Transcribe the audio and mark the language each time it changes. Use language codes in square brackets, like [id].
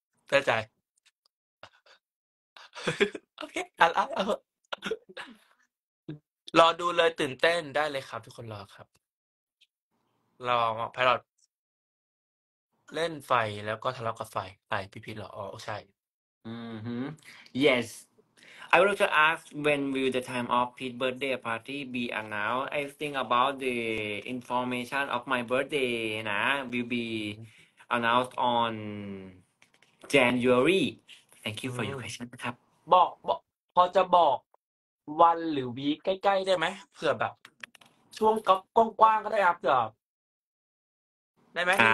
[th] แน่ใจโอเคอะไรรอดูเลยตื่นเต้นได้เลยครับทุกคนรอครับรอไพลอตเล่นไฟแล้วก็ทะเลาะกับไฟไปพี่ๆเหรออ๋อใช่อือ [en] ฮึ yes I would like to ask when will the time of Pete's birthday party be announced I think about the information of my birthday นะ will be announced onJanuary thank you for your question ครับ [th] บอกพอจะบอกวันหรือวีคใกล้ๆได้ไหมเผื่อแบบช่วงก็กว้างๆก็ได้ครับเผื่อได้ไหม